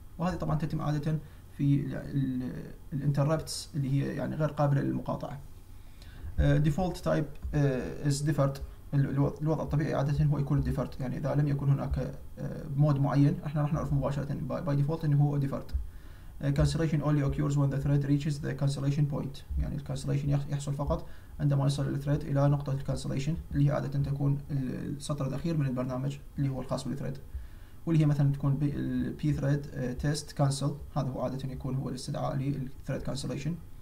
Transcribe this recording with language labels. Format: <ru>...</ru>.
<ar>وهذه طبعا تتم عاده في الانتربتس اللي هي يعني غير قابله للمقاطعه.</ar> <en>default type is different,</en> <ar>الوضع الطبيعي عاده هو يكون ديفرت، يعني اذا لم يكن هناك مود معين احنا راح نعرف مباشره باي ديفولت انه هو ديفرت.</ar> <en>Cancellation only occurs when the thread reaches the cancellation point.</en> <ar>يعني الكانسليشن يحصل فقط عندما يصل الثريد الى نقطة الكانسليشن اللي هي عادة تكون السطر الأخير من البرنامج اللي هو الخاص بالثريد، واللي هي مثلا تكون الـ P thread test cancel، هذا هو عادة يكون هو الاستدعاء للثريد كانسليشن.</ar>